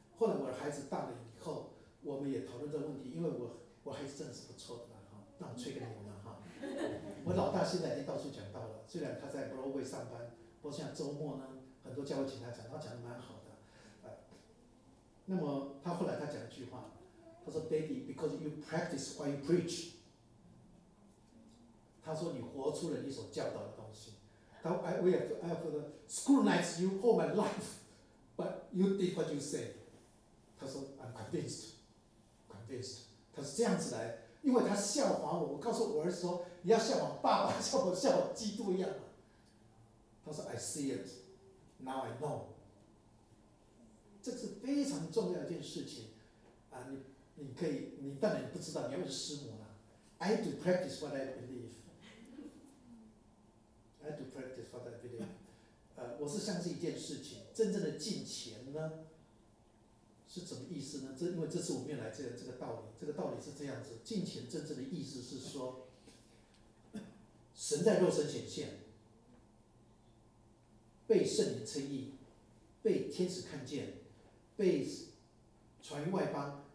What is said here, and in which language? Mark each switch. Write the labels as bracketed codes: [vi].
[zh] 后来我的孩子大了以后，我们也讨论这个问题，因为我孩子真的是不错的哈，那我吹个牛嘛哈，我老大现在已经到处讲到了，虽然他在 Broadway 上班，不过像周末呢，很多教会请他讲，他讲的蛮好的、啊，那么他后来他讲一句话。他说 [en] Daddy, because you practice what you preach. [zh] 他说你活出了你所教导的东西。他说 [en] I have scrutinized you all my life, but you did what you say. [zh] 他说 [en] I'm convinced. Convinced. [zh] 他是这样子来，因为他效仿我，我告诉我儿子说你要效仿爸爸，像我效仿基督一样。他说 [en] I see it. Now I know. [zh] 这是非常重要的一件事情。你可以，你当然不知道，你要问师母啦。 [en] I do practice what I believe. I do practice what I believe. [zh] 我是相信一件事情，真正的进前呢，是什么意思呢？因为这次我们来这个道理，这个道理是这样子：进前真正的意思是说，神在肉身显现，被圣灵称义，被天使看见，被传于外邦。